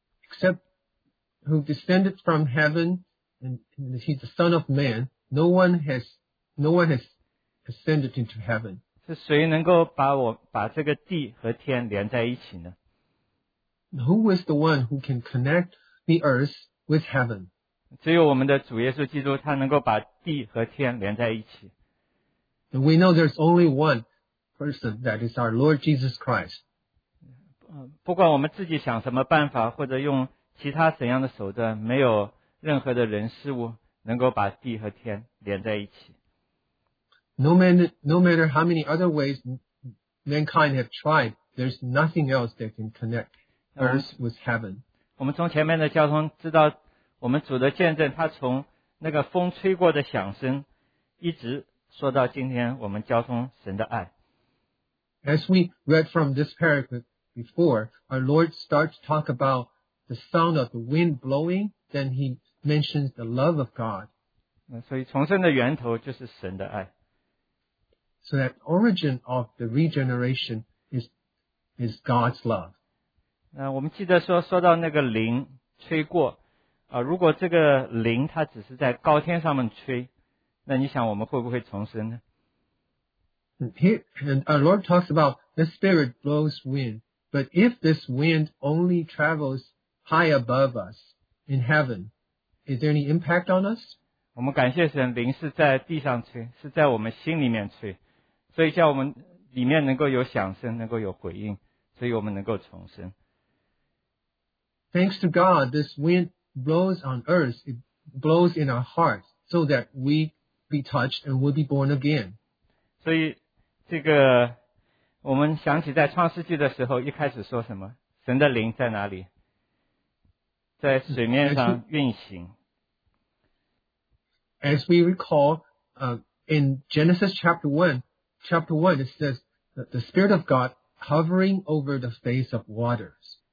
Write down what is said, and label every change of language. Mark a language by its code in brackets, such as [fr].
[en] Except who descended from heaven and he's the son of man, no one has ascended into heaven. [zh] 是谁能够把这个地和天连在一起呢？ [en] Who is the one who can connect the earth with heaven? [zh] 只有我们的主耶稣基督，他能够把地和天连在一起。 [en] And we know there's only one person, that is our Lord Jesus Christ. [zh] 不管我们自己想什么办法，或者用其他怎样的手段，没有任何的人事物能够把地和天连在一起。 [en] No matter how many other ways mankind have tried, there's nothing else that can connect earth was heaven. [zh] 我们从前面的交通知道，我们主的见证，他从那个风吹过的响声，一直说到今天，我们交通神的爱。 [en] As we read from this paragraph before, our Lord starts to talk about the sound of the wind blowing, then he mentions the love of God. [zh] 所以重生的源头就是神的爱。 [en] So that origin of the regeneration is God's love. [zh] 那我们记得说到那个灵吹过，如果这个灵它只是在高天上面吹，那你想我们会不会重生呢？ [en] And our Lord talks about the Spirit blows wind, but if this wind only travels high above us in heaven, is there any impact on us? [zh] 我们感谢神，灵是在地上吹，是在我们心里面吹，所以叫我们里面能够有响声，能够有回应，所以我们能够重生。 [en] Thanks to God, this wind blows on earth, it blows in our hearts, so that we be touched and will be born again. [zh] 所以这个我们想起在创世纪的时候一开始说什么，神的灵在哪里，在水面上运行。 [en] As we recall, in Genesis chapter 1, it says that the Spirit of God hovering over the face of waters.